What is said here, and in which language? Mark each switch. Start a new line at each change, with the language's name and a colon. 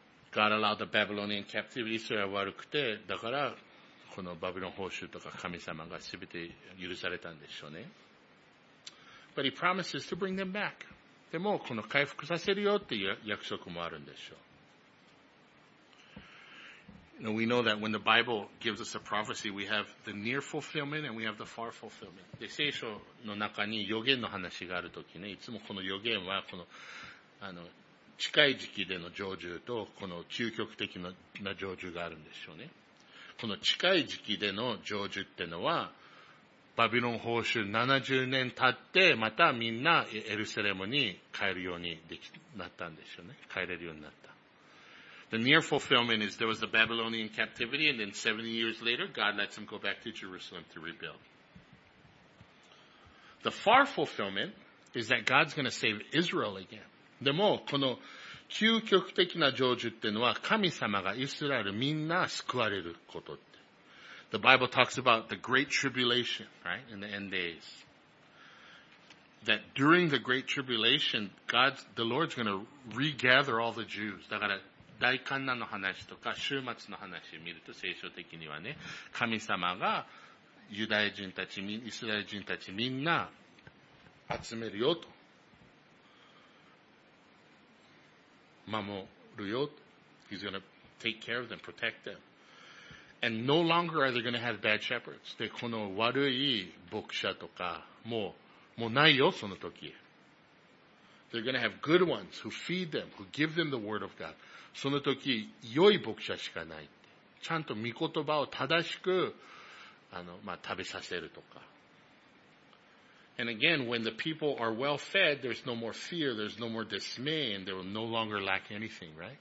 English: God allowed the Babylonian captivity.
Japanese: Israel は悪くて、だから、このバビロン報酬とか神様が全て許されたんでしょうね。
English: But he promises to bring them back.
Japanese: でも、この回復させるよっていう約束もあるんでしょう。
English: And we know that when the Bible gives us a prophecy, we have the near fulfillment and we have the far fulfillment.
Japanese: で、聖書の中に予言の話があるときね、いつもこの予言は、この、近い時期での成就と、この究極的な成就があるんでしょうね。この近い時期での成就ってのは、バビロン報酬70年経って、またみんなエルサレムに帰るようになったんでしょうね。帰れるようになった。
English: The near fulfillment is there was the Babylonian captivity, and then 70 years later, God lets him go back to Jerusalem to rebuild. The far fulfillment is that God's going to save Israel again.
Japanese: でも、この究極的な成就っていうのは、神様がイスラエルみんな救われること。
English: The Bible talks about the great tribulation, right, in the end days. That during the great tribulation, God, the Lord's going to regather all the Jews.
Japanese: だから、大患難の話とか、終末の話を見ると、聖書的にはね、神様がユダヤ人たち、イスラエル人たちみんな集めるよと。守るよと。
English: He's going to take care of them, protect them. And no longer are they going to have bad shepherds.
Japanese: で、この悪い牧者とか、もうないよ、その時。
English: They're going to have good ones who feed them, who give them the word of God.
Japanese: その時、良い牧者しかない。ちゃんと御言葉を正しく、食べさせるとか。
English: And again, when the people are well fed, there's no more fear, there's no more dismay, and they will no longer lack anything, right?